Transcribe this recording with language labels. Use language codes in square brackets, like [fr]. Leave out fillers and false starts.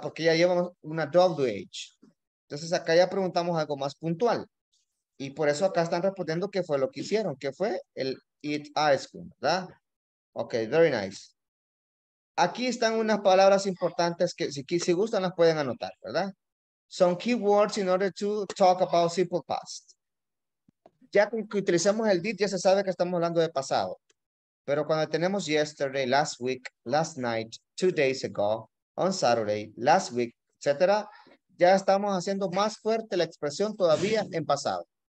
[es] Porque ya llevamos una WH. Entonces acá ya preguntamos algo más puntual. Y por eso acá están respondiendo qué fue lo que hicieron, qué fue el [en] eat ice cream, [es] ¿verdad? [en] Ok, very nice. [es] Aquí están unas palabras importantes que si gustan las pueden anotar, ¿verdad? [en] Son keywords in order to talk about simple past. [es] Ya que utilizamos el did, ya se sabe que estamos hablando de pasado. Pero cuando tenemos [en] yesterday, last week, last night, 2 days ago, on Saturday, last week, [es] etc., ya estamos haciendo más fuerte la expresión todavía en pasado.